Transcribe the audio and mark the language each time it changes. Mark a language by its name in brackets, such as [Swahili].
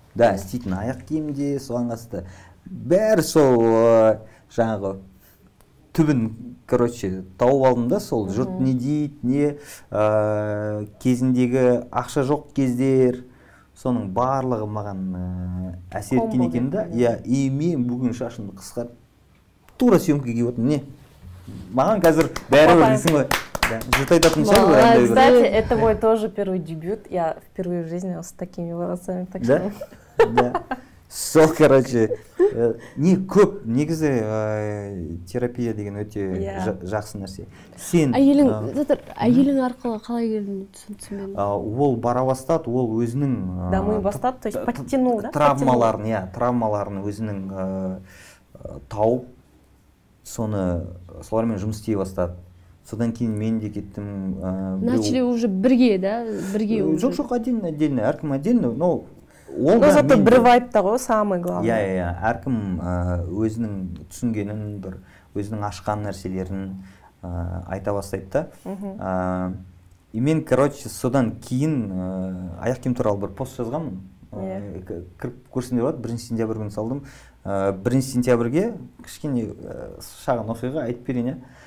[Kazakh] Да, істейтін аяқ киімде, соған қатысты бәрі сол жаңағы түбін, короче, тауып алдым да, сол жұрт не дейді, не кезіндегі ақша жоқ кездер, соның барлығы маған әсер еткен екен да. Иә, и мен бүгін шашымды қысқарт тура съемки киіп отырмын. Не? Маған қазір бәрі бір дейсің ғой. Жұрт айтатын шығар ғой. [Russian] Кстати, это мой тоже первый дебют. Я впервые в жизни с такими волосами, так что. Да. [Kazakh] Сол, короче, не көп, негізі терапия деген өте жақсы нәрсе. Сен әйелің арқылы қалай келдің түсінсің мен? Ол бара бастады, ол өзінің... Дамы бастады, [Russian] то есть подтянул, да? [Kazakh] Травмаларын, иә, травмаларын өзінің тауып, соны солармен жұмыс істей бастады. Содан кейін мен де кеттім. [Russian] Начали уже [Kazakh] бірге, [Russian] да? [Kazakh] Бірге [Russian] уже? [Kazakh] Жоқ-жоқ, [Russian] отдельно, [Kazakh] әркім [Russian] отдельно, но... Но зато [Kazakh] бір вайпта ғой, [Russian] самый главный. [Kazakh] Иә, әркім өзінің түсінгенін, бір өзінің ашқан нәрселерін айта бастайды да. И мен, короче, содан кейін аяқ киім туралы бір пост жазғанмын. Кіріп көрсеңдер болады, 1 сентябр күні салдым. 1 сентябрге кішкене шағын оқиға айтып берейін.